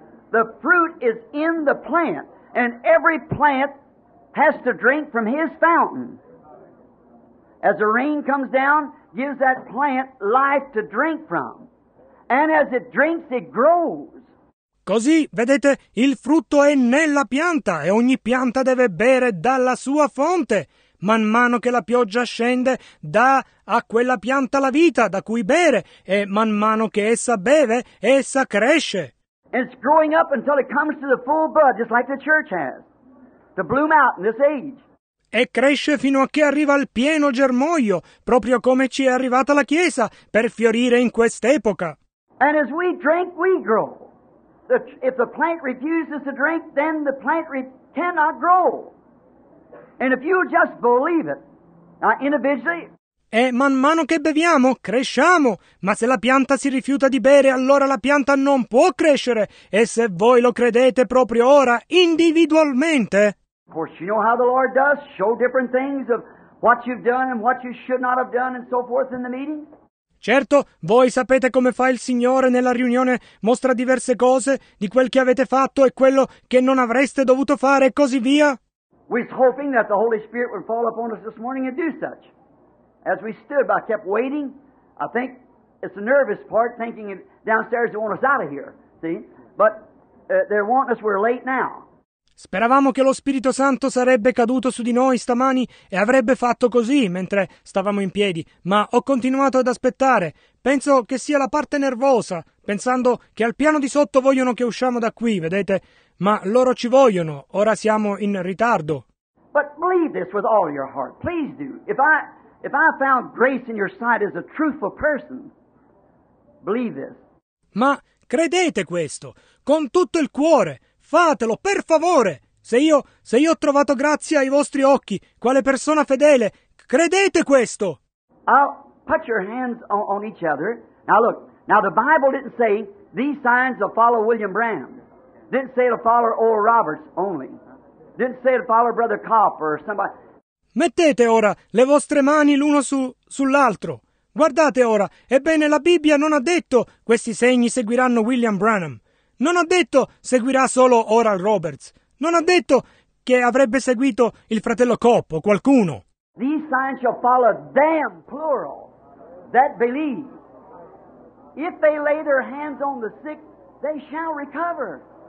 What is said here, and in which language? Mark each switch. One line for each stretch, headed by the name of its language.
English: The fruit is in the plant, and every plant has to drink from his fountain. As the rain comes down, gives that plant life to drink from. And as it drinks, it grows.
Italian: Così, vedete, il frutto è nella pianta, e ogni pianta deve bere dalla sua fonte. Man mano che la pioggia scende, dà a quella pianta la vita da cui bere, e man mano che essa beve, essa cresce.
English: And it's growing up until it comes to the full bud, just like the church has, to bloom out in this age.
Italian: E cresce fino a che arriva al pieno germoglio, proprio come ci è arrivata la Chiesa, per fiorire in quest'epoca.
English: And as we drink, we grow. If the plant refuses to drink, then the plant cannot grow. And if you just believe it, now individually...
Italian: E man mano che beviamo, cresciamo. Ma se la pianta si rifiuta di bere, allora la pianta non può crescere. E se voi lo credete proprio ora, individualmente...
English: Of course, you know how the Lord does, show different things of what you've done and what you should not have done and so forth in the meeting.
Italian: Certo, voi sapete come fa il Signore nella riunione, mostra diverse cose di quel che avete fatto e quello che non avreste dovuto fare e così via.
English: We was hoping that the Holy Spirit would fall upon us this morning and do such. As we stood, but I kept waiting. I think it's the nervous part, thinking downstairs they want us out of here, see? But they're wanting us, we're late now.
Italian: Speravamo che lo Spirito Santo sarebbe caduto su di noi stamani e avrebbe fatto così mentre stavamo in piedi, ma ho continuato ad aspettare. Penso che sia la parte nervosa, pensando che al piano di sotto vogliono che usciamo da qui, vedete? Ma loro ci vogliono, ora siamo in ritardo.
English: But believe this with all your heart, please do. If I found grace in your sight as a truthful person, believe this.
Italian: Ma credete questo, con tutto il cuore. Fatelo, per favore! Se io ho trovato grazia ai vostri occhi, quale persona fedele, credete questo!
English: I'll put your hands on each other. Now look, now the Bible didn't say these signs will follow William Branham. Didn't say it'll follow Oral Roberts only. Didn't say it'll follow Brother Copp or somebody.
Italian: Mettete ora le vostre mani l'uno sull'altro. Guardate ora, ebbene la Bibbia non ha detto questi segni seguiranno William Branham. Non ha detto seguirà solo Oral Roberts. Non ha detto che avrebbe seguito il fratello Copp o qualcuno.
English: These signs shall follow them, plural, that believe. If they lay their hands on the sick, they shall recover.